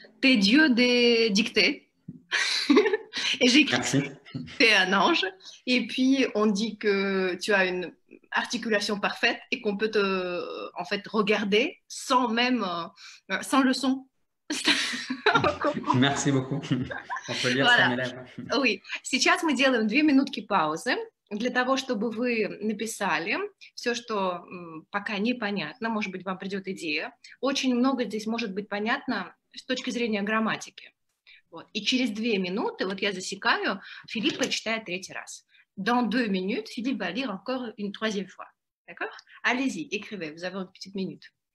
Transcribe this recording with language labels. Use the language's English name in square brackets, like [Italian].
[French] T'es Dieu des dictées. Et j'écris. Merci. T'es un ange. Et puis, on dit que tu as une articulation parfaite et qu'on peut te en fait regarder sans même sans le son. Merci beaucoup. On peut lire voilà. [Russian] Oui, сейчас мы делаем 2 минутки паузы для того, чтобы вы написали всё, что пока непонятно, может быть, вам придёт идея. Очень много здесь может быть понятно с точки зрения грамматики. Вот. И через 2 минуты, вот я засекаю, Филипп прочитает третий раз. [French] Dans 2 minutes, Philippe va lire encore une troisième fois. D'accord? Allez-y, écrivez, vous avez une petite minute.